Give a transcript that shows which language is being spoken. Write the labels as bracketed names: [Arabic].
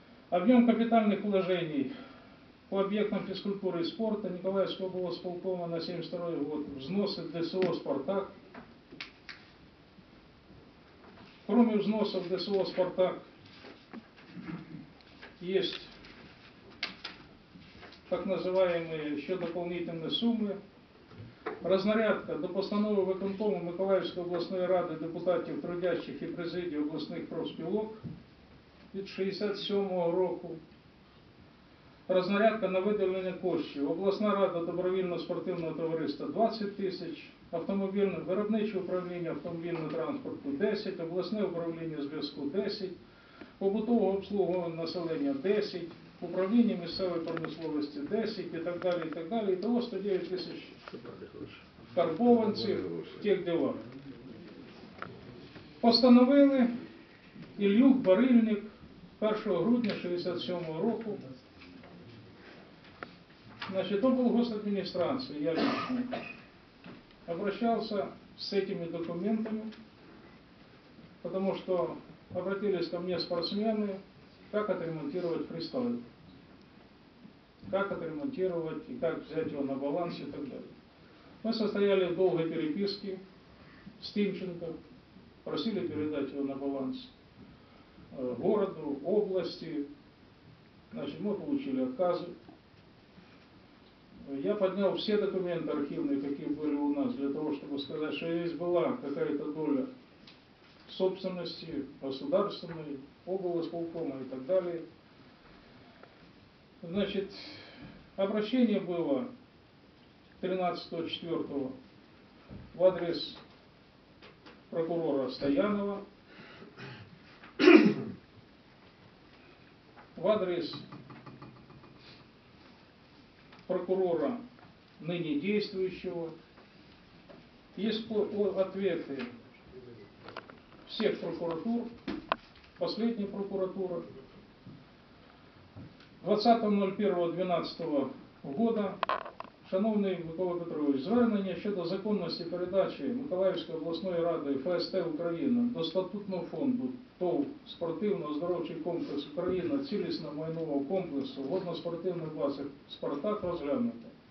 [Russian] Объем капитальных вложений по объектам физкультуры и спорта Николаевского облсполкома на 72 год. Взносы ДСО «Спартак». Кроме взносов ДСО «Спартак» есть так называемые еще дополнительные суммы. [Ukrainian] Разнарядка до постановы виконкома Миколаївської обласної ради депутатів трудящих і президії обласних профспілок від 67-го року. Разнарядка на виділення коштів. Обласна рада добровільно-спортивного товариства – 20 тисяч. Автомобільне виробниче управління автомобільного транспорту – 10. Обласне управління зв'язку – 10. Побутового обслуговування населення – 10. Управління місцевої промисловості – 10 і так далі, і так далі. Того 109 тисяч карбованців в тих ділах. Постановили Ілюх Барильник 1 грудня 67-го року. Значить, то був госадміністрації, я [Russian] лично [Ukrainian] обращався з цими документами, тому що обратились ко мені спортсмени, як отремонтувати фристайл. [Russian] Как отремонтировать и как взять его на баланс и так далее. Мы состояли в долгой переписке с Тимченко, просили передать его на баланс городу, области. Значит, мы получили отказы. Я поднял все документы архивные, какие были у нас, для того, чтобы сказать, что здесь была какая-то доля собственности государственной, облсполкома и так далее. Значит, обращение было 13.04 в адрес прокурора Стоянова, в адрес прокурора ныне действующего. Есть ответы всех прокуратур, последняя прокуратура. [Ukrainian] 20.01.12 [Russian] года, [Ukrainian] шановний Микола Петрович, звернення щодо законності передачі Миколаївської обласної ради ФСТ «Україна» до статутного фонду ТОВ «Спортивно-оздоровчий комплекс «Україна» цілісно-майнового комплексу водно-спортивних баз «Спартак» розглянути.